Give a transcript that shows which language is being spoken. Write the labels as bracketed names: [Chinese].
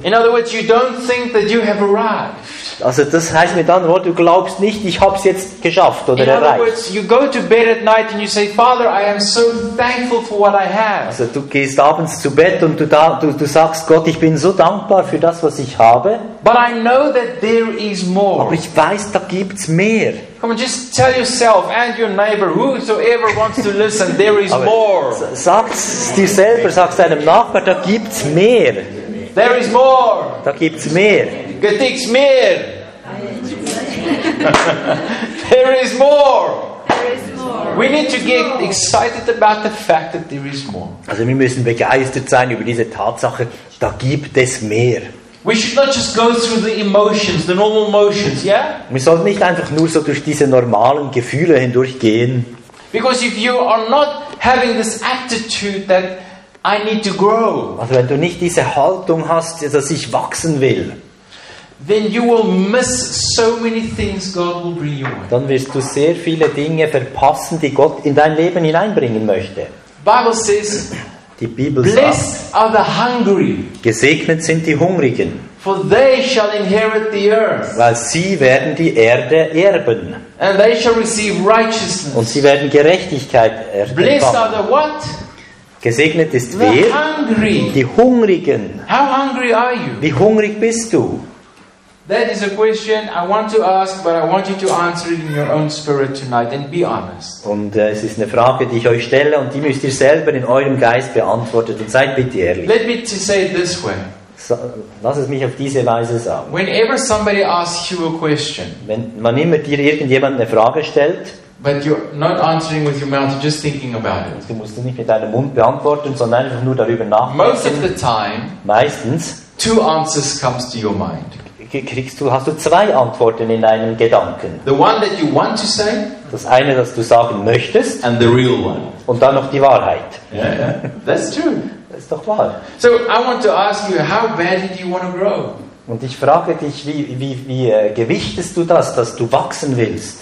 [English] In other words, you don't think that you have arrived. [German] Also das heißt mit anderen Worten, du glaubst nicht, ich habe es jetzt geschafft oder erreicht. [English] In other words, [German] also du gehst abends zu Bett und du sagst, Gott, ich bin so dankbar für das, was ich habe. [English] But I know that there is more. [German] Aber ich weiß, da gibt's mehr. [English] Come on, just tell yourself and your neighbor, whosoever wants to listen, there is more. [German] Sag's dir selber, sag's deinem Nachbar, da gibt's mehr. [English] There is more. [German] Da gibt's mehr. Gibt's mehr. [English] There is more. We need to get excited about the fact that there is more. [German] Also wir müssen begeistert sein über diese Tatsache, da gibt es mehr. [English] We should not just go through the emotions, the normal emotions, yeah? [German] Wir sollten nicht einfach nur so durch diese normalen Gefühle hindurchgehen. [English] Because if you are not having this attitude that I need to grow. [German] Also wenn du nicht diese Haltung hast, dass ich wachsen will. [English] Then you will miss so many things God will bring you. [German] Dann wirst du sehr viele Dinge verpassen, die Gott in dein Leben hineinbringen möchte. [English] Bible says, [German] die Bibel sagt, [English] blessed are the hungry. [German] Gesegnet sind die Hungrigen. [English] For they shall inherit the earth. [German] Weil sie werden die Erde erben. [English] And they shall receive righteousness. [German] Und sie werden Gerechtigkeit erben. [English] Blessed are the what? [German] Gesegnet ist wer? [English] The hungry. [German] Die Hungrigen. [English] How hungry are you? [German] Wie hungrig bist du? [English] That is a question I want to ask, but I want you to answer it in your own spirit tonight and be honest. [German] Und es ist eine Frage, die ich euch stelle, und die müsst ihr selber in eurem Geist beantworten. Und seid bitte ehrlich. [English] Let me to say it this way. [German] Lass es mich auf diese Weise sagen. [English] Whenever somebody asks you a question, [German] wenn man immer dir irgendjemand eine Frage stellt, [English] but you're not answering with your mouth, you're just thinking about it. [German] Du musst nicht mit deinem Mund beantworten, sondern einfach nur darüber nachdenken. [English] Most of the time, [German] meistens, [English] two answers comes to your mind. [German] Hast du zwei Antworten in deinen Gedanken. [English] The one that you want to say, [German] das eine, das du sagen möchtest, [English] and the real one. [German] Und dann noch die Wahrheit. [English] Yeah, that's true. [German] Das ist doch wahr. [English] So I want to ask you, how badly do you want to grow? [German] Und ich frage dich, wie gewichtest du das, dass du wachsen willst?